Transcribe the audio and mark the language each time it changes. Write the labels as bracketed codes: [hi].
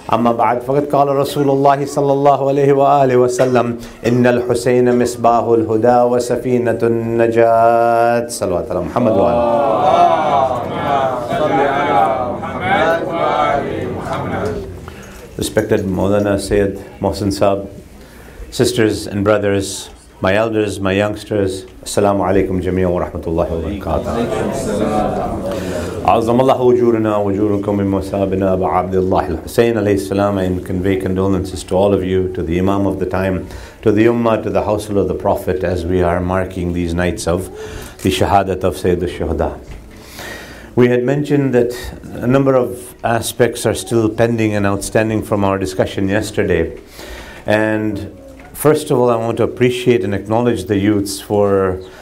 [ar] أما بعد فقد قال رسول الله صلى الله عليه وآله وسلم إن الحسين مصباح الهدى وسفينة النجاة صلوات الله محمد وآله اللهم صل على محمد وآل محمد. [en] Respected مولانا سيد محسن صاحب, sisters and brothers, my elders, my youngsters, [ar] assalamu alaikum jamia wa rahmatullahi wa barakatuh. عظم الله اجورنا واجوركم بمثابنا ابو عبد الله الحسين عليه السلام. [en] I convey condolences to all of you, to the imam of the time, to the ummah, to the household of the prophet, as we are marking these nights of the shahadat of Sayyid al-Shuhada. We had mentioned that a number of aspects are still pending and outstanding from our discussion yesterday, and first of all, I want to appreciate and acknowledge the youths for